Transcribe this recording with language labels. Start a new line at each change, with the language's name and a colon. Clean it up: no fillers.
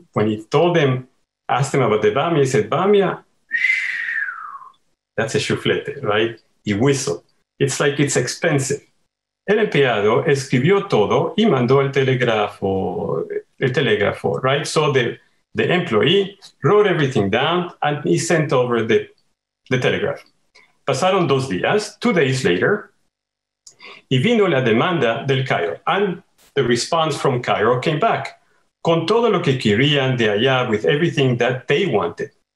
English: When he told him, asked him about the bamia, he said, bamia, that's a chuflete, right? He whistled. It's like it's expensive.
Ladino: El empleado escribió todo y mandó el telégrafo, right?
English: So the employee wrote everything down and he sent over the telegraph.
Ladino: Pasaron 2 días,
English: 2 days later,
Ladino: y vino la demanda del Cairo.
English: And the response from Cairo came back.
Ladino: con todo lo que querían de allá,
English: with everything that they wanted.